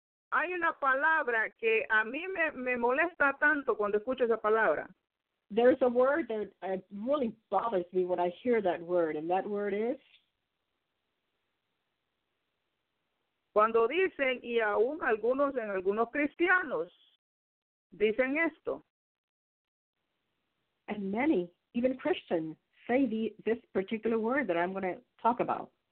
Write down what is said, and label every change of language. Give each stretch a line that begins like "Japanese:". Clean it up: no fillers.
Spanish: Hay una palabra que a mí me molesta tanto cuando escucho esa palabra.
English: There's a word that really bothers me when I hear that word, and that word is?
Spanish: Cuando dicen, y aún algunos en algunos cristianos, dicen esto.
English: And many, even Christians, say this particular word that I'm going to talk about.